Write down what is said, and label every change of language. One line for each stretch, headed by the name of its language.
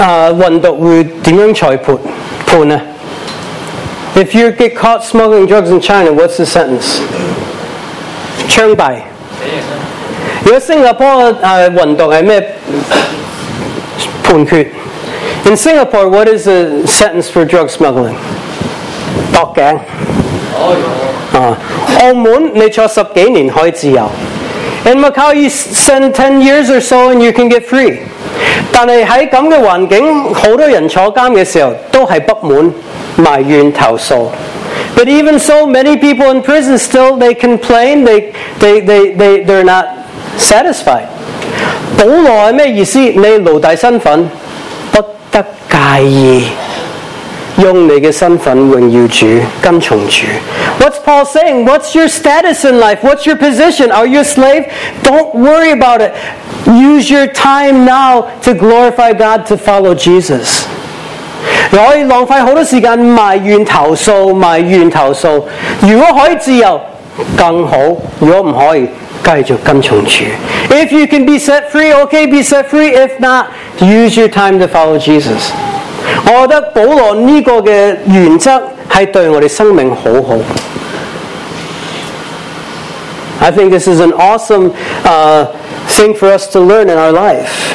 Chinese: 如果中国混毒会怎样裁判呢？
English: If you get caught smuggling drugs in China, what's the sentence?
Chinese: 枪毙。如果新加坡混毒是什么判决？
English: In Singapore, what is the sentence for drug smuggling?
Chinese: 毒颈。澳门你坐10多年可以自由。
English: In Macau, you send 10 years or so and you can get free.
Chinese: 但是在这样的环境，很多人坐监的时候都是不满。埋怨投诉。
English: But even so, many people in prison still they complain, they're not satisfied.
Chinese: 保罗是什么意思?你奴隶身份不得介意。用你的身份荣耀主，跟从主。
English: What's Paul saying? What's your status in life? What's your position? Are you a slave? Don't worry about it. Use your time now to glorify God, to follow Jesus.
Chinese: 可以浪费很多时间埋怨投诉。如果可以自由，更好。如果不可以，继续跟从主。
English: If you can be set free, okay, be set free. If not, use your time to follow Jesus.
Chinese: 我觉得保罗这个原则是对我们生命很好。
English: I think this is an awesome thing for us to learn in our life.